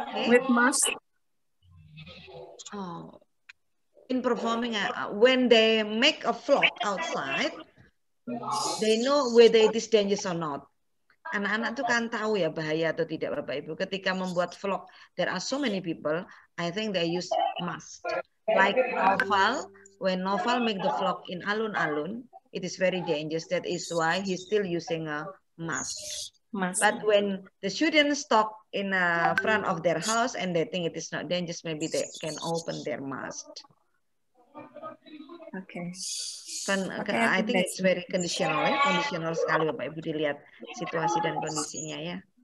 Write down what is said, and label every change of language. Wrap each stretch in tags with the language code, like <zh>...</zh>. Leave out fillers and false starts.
<en>With mask. Oh, in performing, when they make a vlog outside, they know whether it is dangerous or not.</en> <id>Anak-anak tuh kan tahu ya bahaya atau tidak, Bapak Ibu. Ketika membuat vlog,</id> <en>there are so many people, I think they use mask. Like Noval, when Noval make the vlog in alun-alun, it is very dangerous. That is why he's still using a mask. But when the students talk in front of their house and they think it is not dangerous, maybe they can open their mask. Okay. I think it's very conditional, right?</en> <id>Conditional sekali, Bapak Ibu, dilihat situasi dan kondisinya ya.</id>